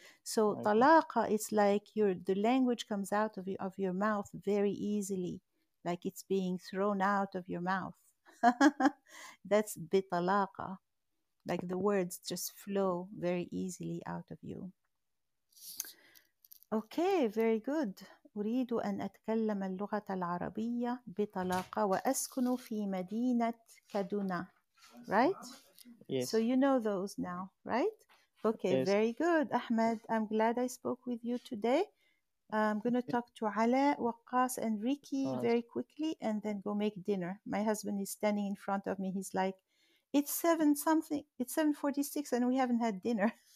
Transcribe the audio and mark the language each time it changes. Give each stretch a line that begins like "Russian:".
English: So talaqa is like the language comes out of your mouth very easily, like it's being thrown out of your mouth. That's bitalaqa. Like the words just flow very easily out of you. Okay, very good.
Arabic: أريد أن أتكلم اللغة العربية بطلاقة وأسكن في مدينة كادونا.
English: Right? Yes. So you know those now, right? Okay, yes. Very good. Ahmed, I'm glad I spoke with you today. I'm going to talk to Ala, Waqas, and Ricky very quickly and then go make dinner. My husband is standing in front of me. He's like, it's 7 something, it's 7:46 and we haven't had dinner.